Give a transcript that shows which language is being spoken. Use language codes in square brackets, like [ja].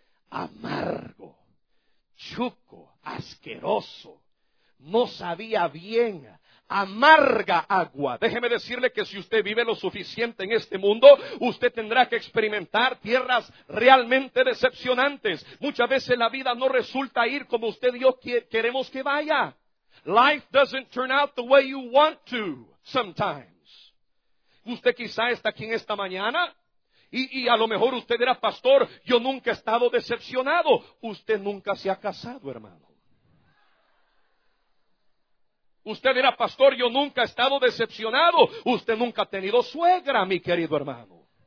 [es] Amargo, chuco, asqueroso, no sabía bien. Amarga agua. Déjeme decirle que si usted vive lo suficiente en este mundo, usted tendrá que experimentar tierras realmente decepcionantes. Muchas veces la vida no resulta ir como usted y yo queremos que vaya. [en] Life doesn't turn out the way you want to sometimes. [es] Usted quizá está aquí en esta mañana y a lo mejor usted era pastor. Yo nunca he estado decepcionado. Usted nunca se ha casado, hermano. Usted era pastor, yo nunca he estado decepcionado. Usted nunca ha tenido suegra, mi querido hermano.